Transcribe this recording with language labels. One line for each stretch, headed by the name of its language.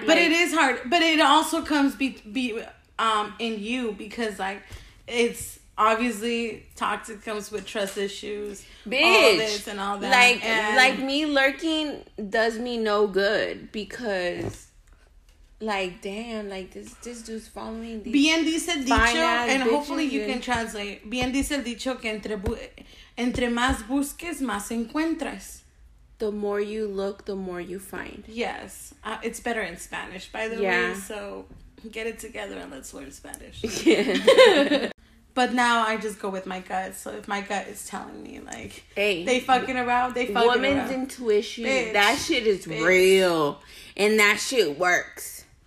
English: but like, it is hard, but it also comes be in you, because like it's obviously toxic comes with trust issues, bitch, all this and all that, like, and like me lurking does me no good, because like damn, like this dude's following these.
Spanish: Bien dice el dicho,
English: and hopefully you can translate.
Spanish: Bien dice el dicho que entre más busques más encuentras.
English: The more you look, the more you find. Yes, it's better in Spanish, by the way, so get it together and let's learn Spanish. Yeah. But now I just go with my gut. So if my gut is telling me, like, hey, they fucking around, they fucking woman's around. Woman's intuition, bitch, that shit is bitch. Real. And that shit works.